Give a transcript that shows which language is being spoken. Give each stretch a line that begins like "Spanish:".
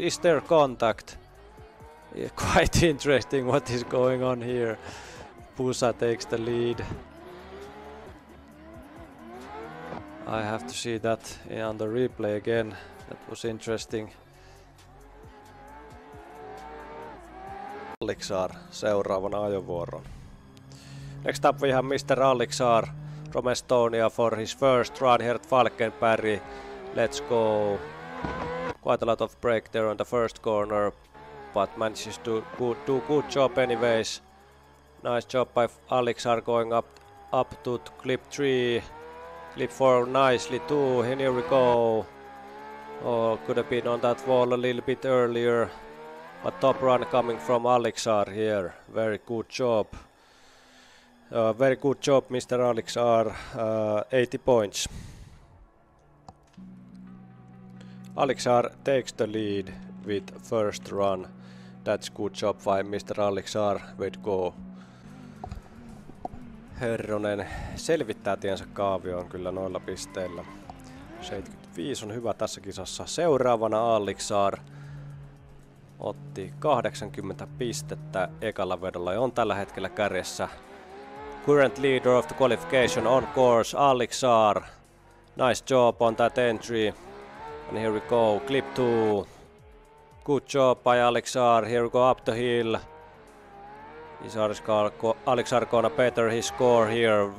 English: Is there contact? Yeah, quite interesting what is going on here. Pusa takes the lead. I have to see that on the replay again. That was interesting.
Finnish: Alexar seuraavan ajovuoron.
English: Next up we have Mr. Alexar from Estonia for his first run here at Falkenberg. Let's go. Quite a lot of break there on the first corner, but manages to do good job anyways. Nice job by Alexar going up to clip 3. Clip 4 nicely too. Here we go. Oh, could have been on that wall a little bit earlier. But top run coming from Alexar here. Very good job. Very good job, Mr. Alexar. 80 points. Alexar takes the lead with first run. That's good job by Mr. Alexar. Way to go.
Finnish: Herronen selvittää tiensä kaavioon kyllä noilla pisteillä. 75 on hyvä tässä kisassa. Seuraavana Alexar otti 80 pistettä ekalla vedolla ja on tällä hetkellä kärjessä.
English: Current leader of the qualification on course, Alexar. Nice job on that entry. And here we go, clip 2. Good job by Alexar. Here we go up the hill. Is Alexar gonna better his score here?